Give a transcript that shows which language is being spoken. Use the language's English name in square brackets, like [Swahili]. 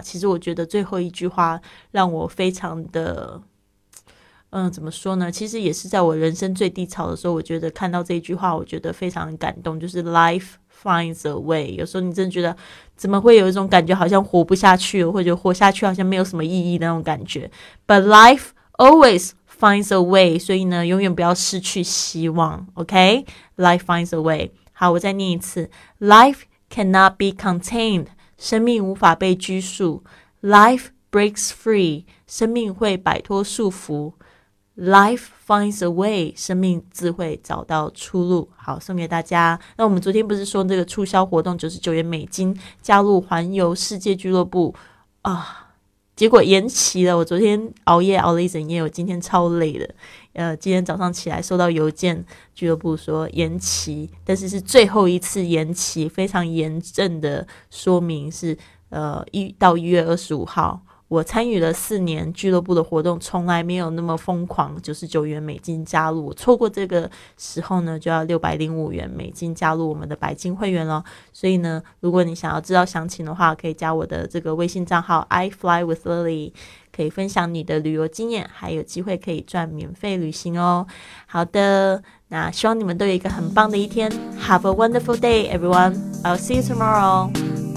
[Chinese] 其实我觉得最后一句话让我非常的怎么说呢，其实也是在我人生最低潮的时候，我觉得看到这一句话我觉得非常感动，就是 [English] Life finds a way。 [Chinese] 有时候你真的觉得怎么会有一种感觉好像活不下去，或者活下去好像没有什么意义的那种感觉， [English] But life always finds a way。 [Chinese] 所以呢永远不要失去希望， OK? [English] Life finds a way。 [Chinese] 好，我再念一次。 [English] Life cannot be contained, [Chinese] 生命无法被拘束。 [English] Life breaks free, [Chinese] 生命会摆脱束缚。 [English] Life finds a way, [Chinese] 生命自会找到出路。好，送给大家。那我们昨天不是说这个促销活动99元美金加入环游世界俱乐部啊，结果延期了。我昨天熬夜熬了一整夜，我今天超累的。今天早上起来收到邮件，俱乐部说延期，但是是最后一次延期，非常严正的说明是到1月25号。我参与了4年俱乐部的活动，从来没有那么疯狂，99元美金加入，我错过这个时候呢就要605元美金加入我们的白金会员了。所以呢如果你想要知道详情的话，可以加我的这个微信账号 I fly with Lily，可以分享你的旅游经验，还有机会可以赚免费旅行哦。好的，那希望你们都有一个很棒的一天。 [English] Have a wonderful day, everyone. I'll see you tomorrow.